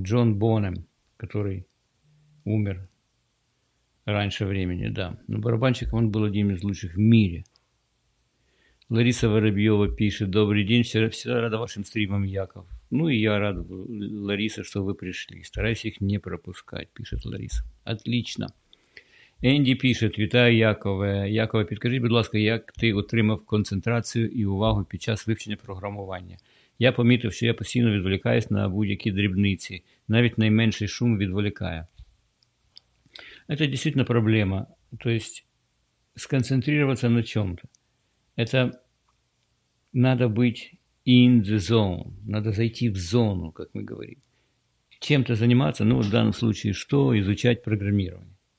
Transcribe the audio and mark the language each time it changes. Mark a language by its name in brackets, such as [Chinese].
[Russian] Джон Бонем, который умер раньше времени, да. Но барабанщик, он был одним из лучших в мире. Лариса Воробьева пишет. Добрый день, всегда рада вашим стримам, Яков. Ну, и я рад, Лариса, что вы пришли. Старайся их не пропускать, пишет Лариса. Отлично. Энди пишет. [Ukrainian] Вітаю, Якове. Якове, підкажіть, будь ласка, як ти отримав концентрацію і увагу під час вивчення програмування? Я помітив, що я постійно відволікаюсь на будь-які дрібниці. Навіть найменший шум відволікає. Це дійсно проблема. [Russian] Тобто, сконцентрироваться на чому-то. Це треба бути [English] in the zone, [Russian] надо зайти в зону, как мы говорим. Чем-то заниматься, ну, в данном случае, что? Изучать программирование.